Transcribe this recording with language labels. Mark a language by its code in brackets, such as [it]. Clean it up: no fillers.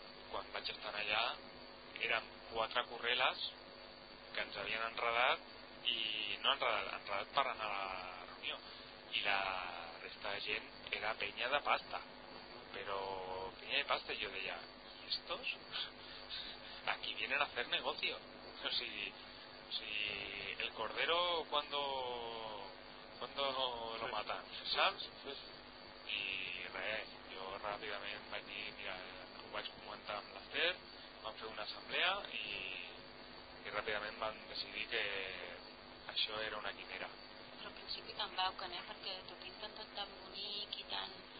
[ca] quan vaig estar allà, eren quatre correles que ens havien enredat, i no enredat, enredat per anar a la reunió, i la resta de gent era penya de pasta, però penya de pasta, jo deia, ¿y estos? [es] Aquí vienen a hacer negocio. Si el cordero, cuando lo matan, ¿saps? [ca] I res, jo ràpidament vaig dir, mira, ho vaig comentar amb l'Ester, vam fer una assemblea i ràpidament van decidir que això era una quimera. Però al principi te'n vau canar, perquè t'ho pinten tot tan bonic i tan...